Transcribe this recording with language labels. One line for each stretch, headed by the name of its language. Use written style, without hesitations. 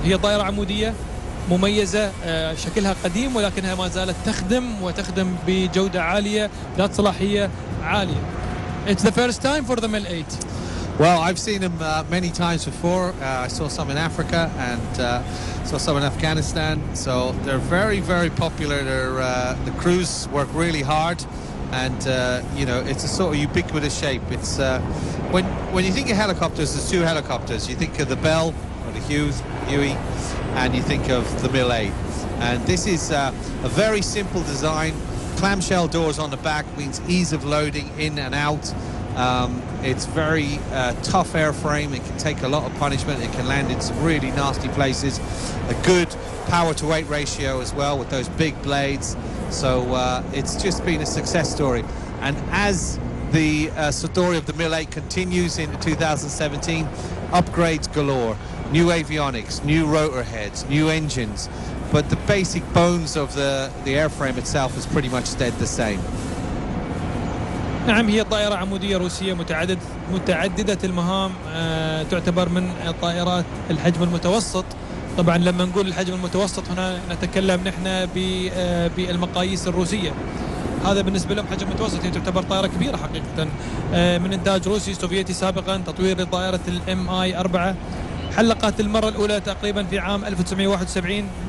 Arabic: هي طائرة عمودية مميزة، شكلها قديم ولكنها ما زالت تخدم وتخدم بجودة عالية ذات صلاحية عالية.
English: It's the first time for the Mil-8. Well, I've seen them many times before. I saw some in Africa and saw some in Afghanistan. So they're very, very popular. The crews work really hard. And you know, it's a sort of ubiquitous shape. It's when you think of helicopters, there's two helicopters. You think of the Bell or the Huey, and you think of the Mil-8. And this is a very simple design. Clamshell doors on the back means ease of loading in and out. It's very tough airframe. It can take a lot of punishment. It can land in some really nasty places. A good power to weight ratio as well with those big blades. So it's just been a success story. And as the story of the Mil-8 continues in 2017, upgrades galore, new avionics, new rotor heads, new engines. But the basic bones of the airframe itself is pretty much stayed the same.
Arabic: نعم، هي طائرة عمودية روسية متعددة المهام، تعتبر من طائرات الحجم المتوسط. طبعا لما نقول الحجم المتوسط هنا نتكلم نحن بالمقاييس الروسية، هذا بالنسبة لهم حجم متوسط. هي تعتبر طائرة كبيرة حقيقة، من إنتاج روسي سوفيتي سابقا، تطوير لطائرة MI-4 حلقت المرة الأولى تقريبا في عام 1971.